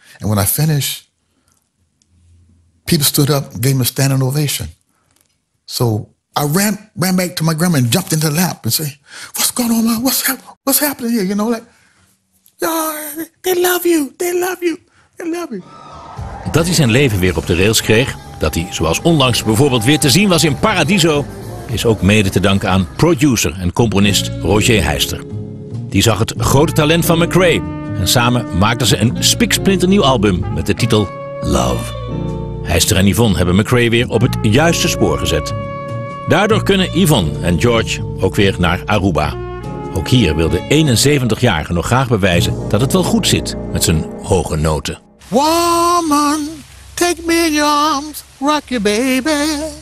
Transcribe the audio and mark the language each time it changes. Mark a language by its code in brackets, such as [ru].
[en] And when I finished, people stood up, gave me a standing ovation. So I ran back to my grandma and jumped into the lap and said, what's going on, Mom? What's happening here? You know, like, they love you. They love you. They love you. [nl] Dat hij zijn leven weer op de rails kreeg, dat hij zoals onlangs bijvoorbeeld weer te zien was in Paradiso, is ook mede te danken aan producer en componist Roger Heister. Die zag het grote talent van McRae en samen maakten ze een spiksplinternieuw album met de titel Love. Hester en Yvonne hebben McRae weer op het juiste spoor gezet. Daardoor kunnen Yvonne en George ook weer naar Aruba. Ook hier wil de 71-jarige nog graag bewijzen dat het wel goed zit met zijn hoge noten. [en] Woman, take me in your arms, rock your baby.